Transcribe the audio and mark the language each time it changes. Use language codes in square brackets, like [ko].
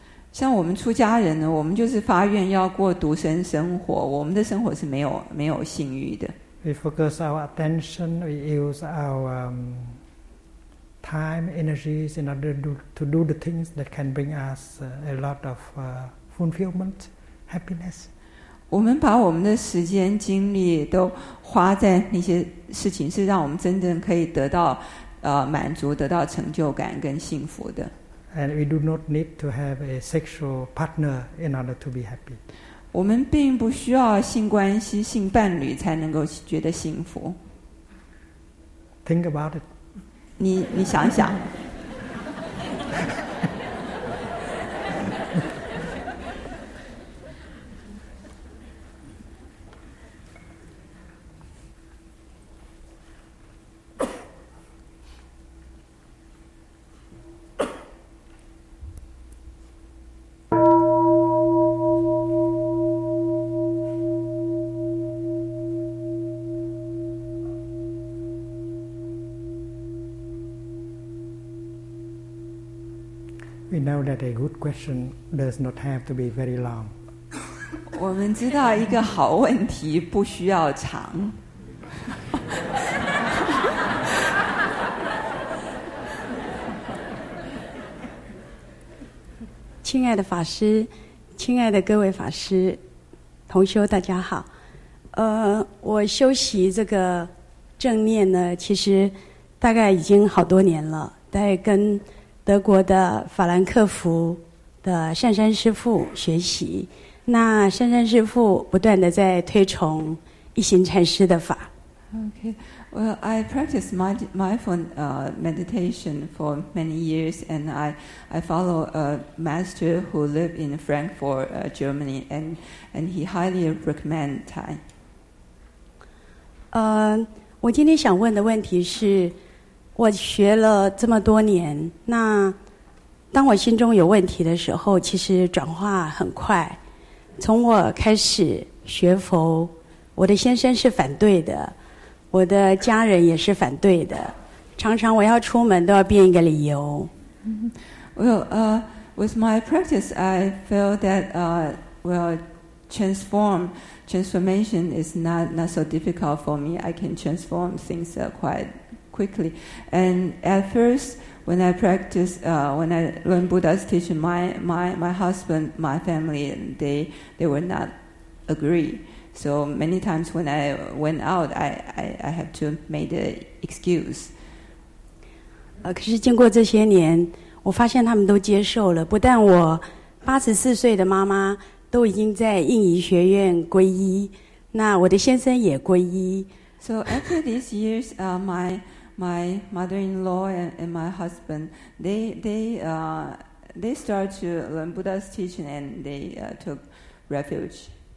[zh] 像我们出家人呢，我们就是发愿要过独身生活。我们的生活是没有性欲的。 [en] We focus our attention. We use our time, energies in order to do the things that can bring us a lot of fulfillment, happiness. [zh] 我们把我们的时间精力都花在那些事情是让我们真正可以得到满足得到成就感跟幸福的。 [en] And we do not need to have a sexual partner in order to be happy. [zh] 我们并不需要性关系性伴侣才能够觉得幸福。 [en] Think about it. [zh] 你想想。 [en] That a good question does not have to be very long. [zh] 我们知道一个好问题不需要长。亲爱的法师，亲爱的各位法师，同修大家好。我修习这个正念呢，其实大概已经好多年了，大概跟德国的法兰克福的善山师父学习，那善山师父不断的在推崇一行禅师的法。 [en] Okay, well, I practice mindfulness meditation for many years, and I follow a master who live in Frankfurt, Germany, and he highly recommend Thai. [zh] 我今天想问的问题是，我学了这么多年，那当我心中有问题的时候，其实转化很快。从我开始学佛，我的先生是反对的，我的家人也是反对的，常常我要出门都要编一个理由。 [en] Well, with my practice, I feel that transformation is not so difficult for me. I can transform things quite quickly. And at first, when I practice, when I learn Buddha's teaching, my husband, my family, they would not agree. So many times when I went out, I have to make an excuse. [zh] 可是经过这些年，我发现他们都接受了。不但我84岁的妈妈都已经在印尼学院皈依，那我的先生也皈依。 [en] So after these years, my mother-in-law and my husband, they start to learn Buddha's teaching and they took refuge.